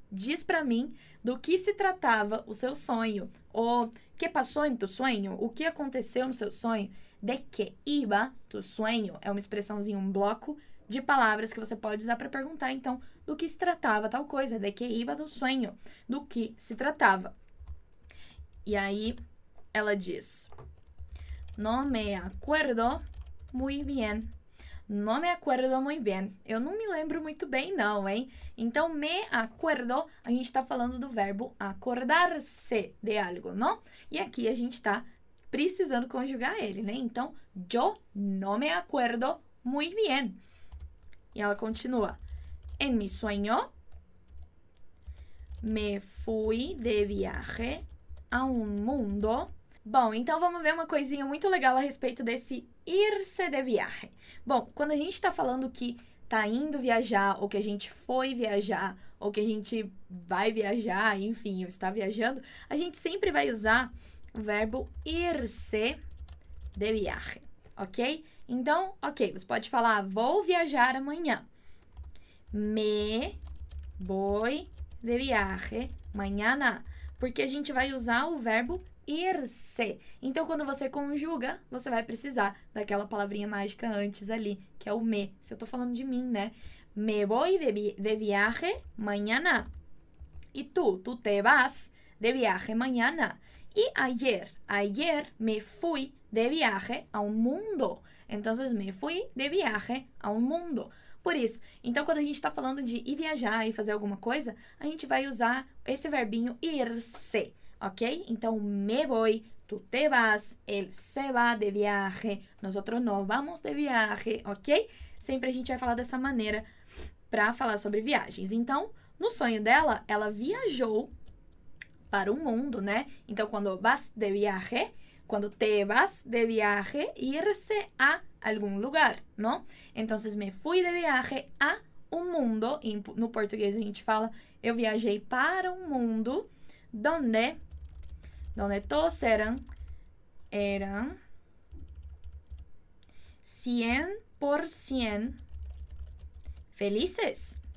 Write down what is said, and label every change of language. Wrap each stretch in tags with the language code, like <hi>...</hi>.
<pt>Diz pra mim do que se tratava o seu sonho, ou que passou em tu sonho, o que aconteceu no seu sonho.</pt> <es>De que iba tu sonho?</es> <pt>É uma expressãozinha, um bloco de palavras que você pode usar para perguntar, então, do que se tratava tal coisa.</pt> <es>De que iba tu sonho?</es> <pt>Do que se tratava? E aí, ela diz,</pt> <es>no me acuerdo muy bien. No me acuerdo muy bien.</es> <pt>Eu não me lembro muito bem, não, hein? Então, me acuerdo, a gente está falando do verbo acordar-se de algo, não? E aqui a gente está precisando conjugar ele, né?</pt> <es>Então, yo no me acuerdo muy bien.</es> <pt>E ela continua.</pt> <es>En mi sueño, me fui de viaje a un mundo.</es> <pt>Bom, então vamos ver uma coisinha muito legal a respeito desse ir-se de viaje. Bom, quando a gente está falando que está indo viajar, ou que a gente foi viajar, ou que a gente vai viajar, enfim, ou está viajando, a gente sempre vai usar o verbo ir-se de viaje, ok? Então, ok, você pode falar, vou viajar amanhã.</pt> <es>Me voy de viaje mañana.</es> <pt>Porque a gente vai usar o verbo ir-se. Então, quando você conjuga, você vai precisar daquela palavrinha mágica antes ali, que é o me. Se eu tô falando de mim, né?</pt> <es>Me voy de viaje mañana.</es> <pt>E tu?</pt> <es>Tu te vas de viaje mañana. E ayer? Ayer me fui de viaje a un mundo. Entonces, me fui de viaje a un mundo.</es> <pt>Por isso, então, quando a gente tá falando de ir viajar e fazer alguma coisa, a gente vai usar esse verbinho ir-se. Ok?</pt> <es>Então, me voy, tú te vas, él se va de viaje, nosotros no vamos de viaje, ok?</es> <pt>Sempre a gente vai falar dessa maneira para falar sobre viagens. Então, no sonho dela, ela viajou para o mundo, né? Então, quando vas de viaje, quando</pt> <es>te vas de viaje,</es> <pt>irse a algum lugar, não? Então, me fui de viaje a un mundo, no português a gente fala, eu viajei para um mundo,</pt> <es>donde todos eran 100% felices.</es>